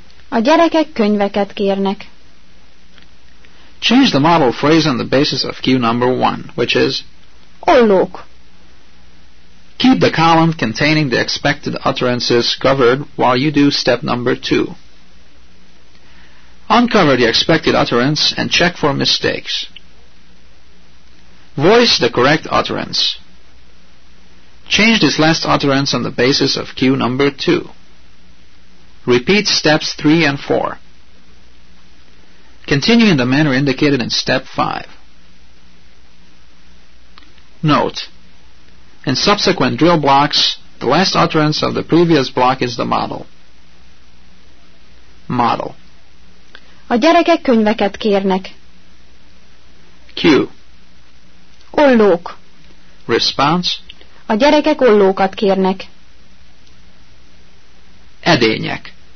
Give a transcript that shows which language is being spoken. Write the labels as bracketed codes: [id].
[hu] A gyerekek könyveket kérnek. [en] Change the model phrase on the basis of cue number 1, which is [hu] Ollók. [en] Keep the column containing the expected utterances covered while you do step number 2. Uncover the expected utterance and check for mistakes. Voice the correct utterance. Change this last utterance on the basis of cue number 2. Repeat steps 3 and 4. Continue in the manner indicated in step 5. Note, in subsequent drill blocks, the last utterance of the previous block is the model. Model. [hu] A gyerekek könyveket kérnek. [en] Q. [hu] Ollók. [en] Response. [hu] A gyerekek ollókat kérnek. Edények.